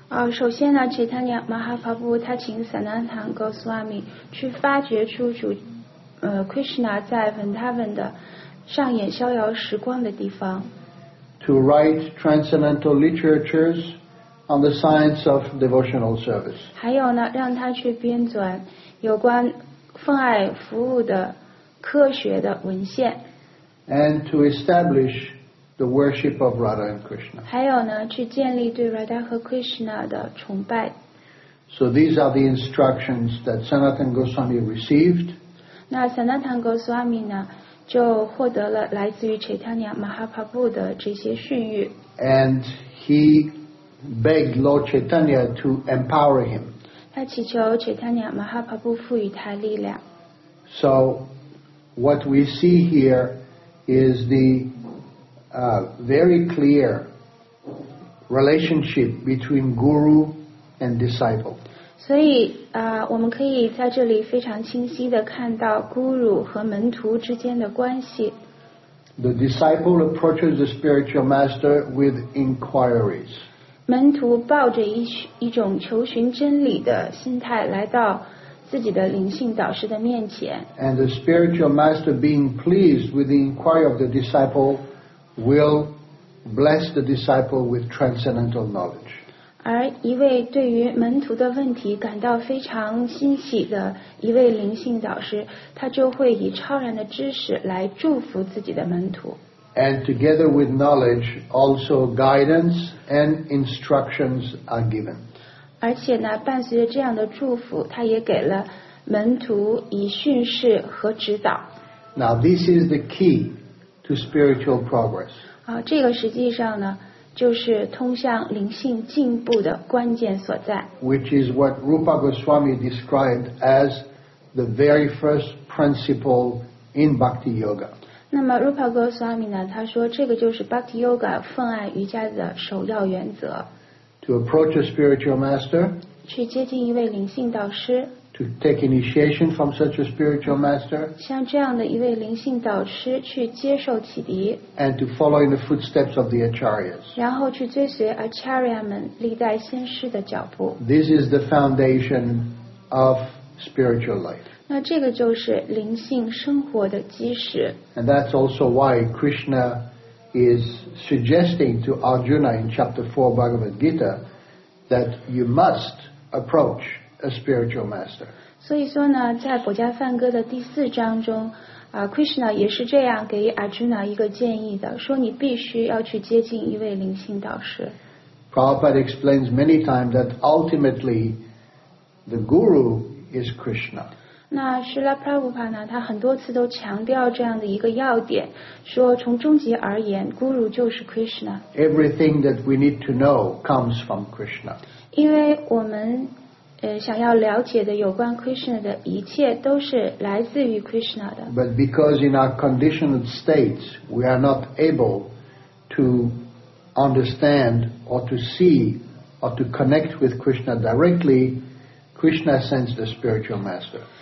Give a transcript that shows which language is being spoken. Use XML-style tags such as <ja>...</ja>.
<zh>首先呢 Chaitanya Mahaprabhu 他请 Sanatan Goswami 去发掘出主Krishna 在 Vrindavan 的上演逍遥时光的地方。</zh> <en>To write transcendental literatures on the science of devotional service.</en> <zh>还有呢，让他去编纂有关奉爱服务的科学的文献。</zh> <en>And to establishThe worship of Radha and Krishna.</en> <zh>还有呢，去建立对 Radha 和 Krishna 的崇拜。</zh> <en>So these are the instructions that Sanatan Goswami received.</en> <zh>那 Sanatan Goswami 呢，就获得了来自于 Chaitanya Mahaprabhu 的这些训谕。</zh> <en>And he begged Lord Chaitanya to empower him.</en> <zh>他祈求 Chaitanya Mahaprabhu 赋予他力量。</zh> <en>So what we see here is theVery clear relationship between guru and disciple.</en> <zh>所以我们可以在这里非常清晰地看到 guru 和门徒之间的关系。</zh> <en>The disciple approaches the spiritual master with inquiries.</en> <zh>门徒抱着一种求寻真理的心态来到自己的灵性导师的面前。</zh> <en>And the spiritual master being pleased with the inquiry of the disciplewill bless the disciple with transcendental knowledge.</en> <zh>而一位对于门徒的问题感到非常欣喜的一位灵性导师，他就会以超然的知识来祝福自己的门徒。</zh> <en>And together with knowledge, also guidance and instructions are given.</en> <zh>而且呢，伴随着这样的祝福，他也给了门徒以训示和指导。</zh> <en>Now this is the key. To spiritual progress.</en> <zh>这个实际上呢，就是通向灵性进步的关键所在。</zh> <en>Which is what Rupa Goswami described as the very first principle in Bhakti Yoga.</en> <zh>那么 Rupa Goswami 呢，他说这个就是 Bhakti Yoga 奉爱瑜伽的首要原则。</zh> <en>To approach a spiritual master.</en> <zh>去接近一位灵性导师。</zh> <en>To take initiation from such a spiritual master.</en> <zh>像这样的一位灵性导师去接受启迪。</zh> <en>And to follow in the footsteps of the acharyas.</en> <zh>然后去追随 acharya 们历代先师的脚步。</zh> <en>This is the foundation of spiritual life.</en> <zh>那这个就是灵性生活的基石。</zh> <en>And that's also why Krishna is suggesting to Arjuna in chapter 4 Bhagavad Gita that you must approach. A spiritual master.</en> <zh>所以说呢，在博迦梵歌的第四章中，Krishna 也是这样给 Arjuna 一个建议的，说你必须要去接近一位灵性导师。</zh> <en>Prabhupada explains many times that ultimately the guru is Krishna.</en> <zh>那施拉普拉普帕呢，他很多次都强调这样的一个要点，说从终极而言，孤独就是 Krishna。</zh> <en>Everything that we need to know comes from Krishna。</en> <zh>因为我们想要了解的有关 Krishna 的一切都是来自于 Krishna 的。</zh> <en>But because in our conditioned states we are not able to understand or to see or to connect with Krishna directly, Krishna sends the spiritual master。</en>